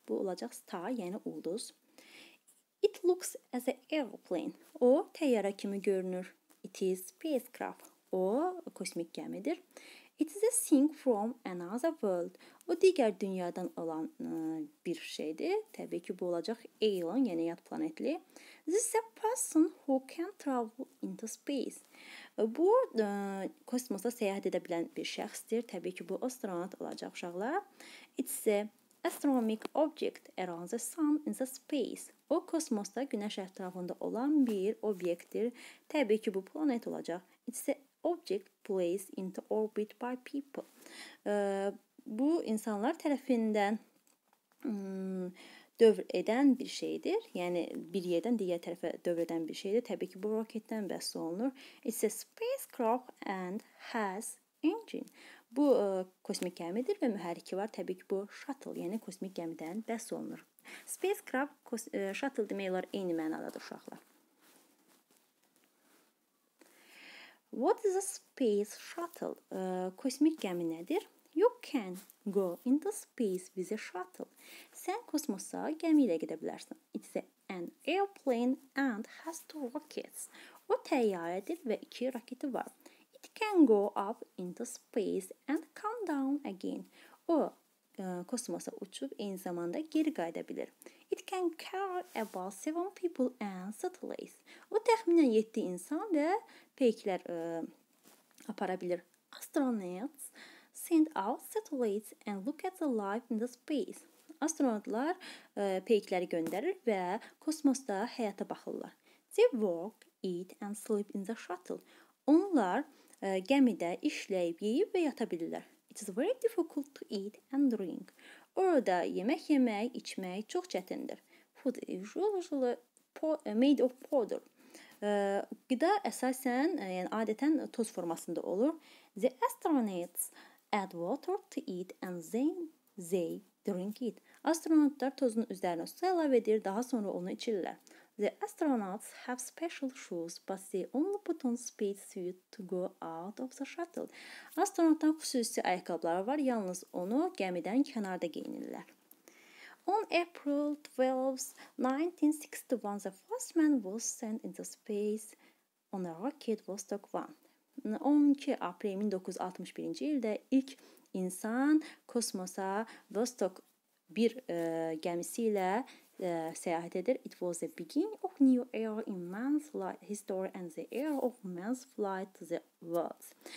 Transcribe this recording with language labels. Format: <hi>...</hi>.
<az>Bu olacaq star, yəni ulduz.</az> <en>It looks as an aeroplane.</en> <az>O təyyarə kimi görünür.</az> <en>It is spacecraft.</en> <az>O kosmik gəmidir.</az> <en>It is a thing from another world.</en> <az>O digər dünyadan olan bir şeydir. Təbii ki, bu olacaq Elon, yəni yad planetli.</az> <en>This is a person who can travel into space.</en> <az>Bu, kosmosa səyahət edə bilən bir şəxsdir. Təbii ki, bu astronaut olacaq uşaqlar.</az> <en>It is a astronomic object around the sun in the space.</en> <az>O, kosmosa günəş ətrafında olan bir obyektdir. Təbii ki, bu planet olacaq.</az> <en>It is a object placed into orbit by people.</en> <az>Bu, insanlar tərəfindən dövr edən bir şeydir. Yəni, bir yerdən digər tərəfə dövr edən bir şeydir. Təbii ki, bu roketdən bəhs olunur.</az> <en>It's a spacecraft and has engine.</en> <az>Bu, kosmik gəmidir və mühərriki var. Təbii ki, bu, shuttle, yəni kosmik gəmidən bəhs olunur. Spacecraft, shuttle demək olar eyni mənadadır uşaqlar.</az> <en>What is a space shuttle?</en> <az>Kosmik gəmi nədir?</az> <en>You can go into space with a shuttle.</en> <az>Sən kosmosa gəmi ilə gedə bilərsin.</az> <en>It is an airplane and has two rockets.</en> <az>O təyyarədir və iki raketi var.</az> <en>It can go up into space and come down again.</en> <az>O kosmosa uçub eyni zamanda geri qayıda bilir.</az> <en>It can carry about 7 people and satellites.</en> <az>O təxminən 7 insan və peyklər apara bilir.</az> <en>Astronauts send out satellites and look at the life in the space.</en> <az>Astronautlar peykləri göndərir və kosmosda həyata baxırlar.</az> <en>They walk, eat and sleep in the shuttle.</en> <az>Onlar gəmidə işləyib, yeyib və yata bilirlər.</az> <en>It is very difficult to eat and drink.</en> <az>Orada yemək yemək, içmək çox çətindir.</az> <en>Food is usually made of powder.</en> <az>Qida əsasən, yəni adətən toz formasında olur.</az> <en>The astronauts add water to eat and then they drink it.</en> <az>Astronautlar tozun üzərinə su əlavə edir, daha sonra onu içirlər.</az> <en>The astronauts have special shoes, but they only put on spacesuit to go out of the shuttle.</en> <az>Astronautlar xüsusi ayakkabılar var, yalnız onu gəmidən kənarda giyinirlər.</az> <en>On April 12, 1961, the first man was sent into space on a rocket Vostok 1.</en> <az>12 April 1961-ci ildə ilk insan kosmosa Vostok 1 gəmisi ilə səyahət edir.</az> <en>It was the beginning of new era in man's flight history and the era of man's flight to the world.</en>